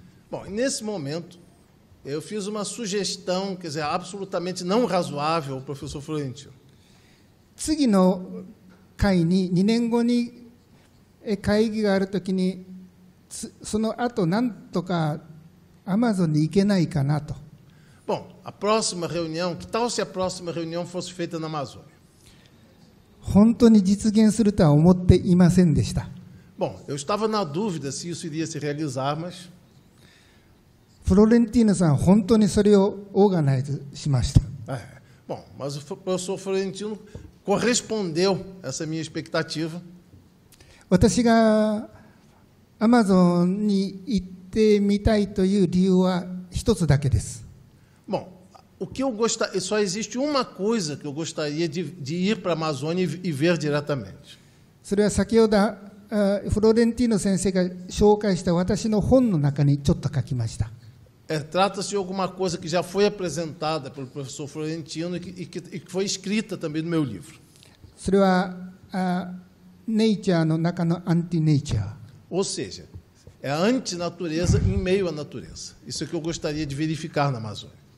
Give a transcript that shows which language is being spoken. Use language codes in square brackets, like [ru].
[pt] Bom, nesse momento, eu fiz uma sugestão, quer dizer, absolutamente não razoável, professor Florentino. [ja] 次の会に、2年後に会議があるときに、その後、なんとかアマゾンに行けないかなと。 [pt] Bom, a próxima reunião, que tal se a próxima reunião fosse feita na Amazônia? [ja] 本当に実現するとは思っていませんでした。 [pt] Bom, eu estava na dúvida se isso iria se realizar, mas... [ja] Florentino-san, 本当にそれをオーガナイズしました。 [pt] Bom, mas o professor Florentino correspondeu essa minha expectativa. [ja] 私がアマゾンに行ってみたいという理由は一つだけです。 [pt] Bom, o que eu gostaria... Só existe uma coisa que eu gostaria de ir para a Amazônia e ver diretamente. [ja] それは先ほどフロレンティーノ先生が紹介した私の本の中にちょっと書きました。 [pt] Trata-se de alguma coisa que já foi apresentada pelo professor Florentino e que foi escrita também no meu livro. [ja] それは、Nature の中の Anti-Nature。 [pt] Ou seja, é a antinatureza em meio à natureza. Isso é que eu gostaria de verificar na Amazônia.